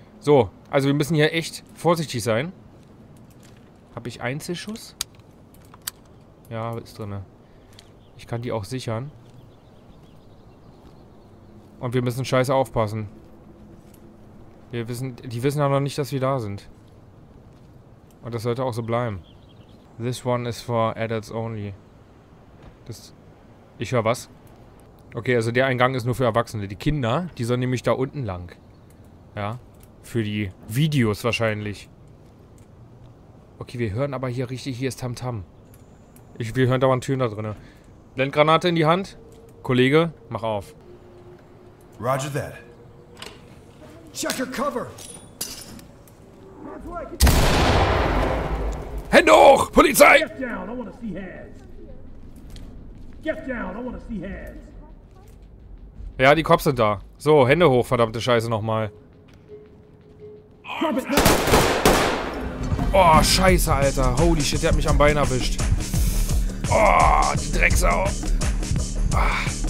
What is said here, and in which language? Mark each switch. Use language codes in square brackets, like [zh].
[de] So, also wir müssen hier echt vorsichtig sein. Habe ich Einzelschuss? Ja, ist drin. Ich kann die auch sichern. Und wir müssen scheiße aufpassen. Wir wissen, die wissen ja noch nicht, dass wir da sind. Und das sollte auch so bleiben. [en] This one is for adults only. [de] Das. Ich höre was? Okay, also der Eingang ist nur für Erwachsene. Die Kinder, die sollen nämlich da unten lang. Ja. Für die Videos wahrscheinlich. Okay, wir hören aber hier richtig, hier ist Tamtam. Wir hören da mal eine Tür da drin. Blendgranate in die Hand. Kollege, mach auf. [en] Roger that. Check your cover. [de] Hände hoch, Polizei! [en] Get down, I want to see hands. Get down, I want to see hands. [de] Ja, die Cops sind da. So, Hände hoch, verdammte Scheiße nochmal. Oh, Scheiße, Alter. [en] Holy shit, [de] der hat mich am Bein erwischt. Oh, die Drecksau. Ah.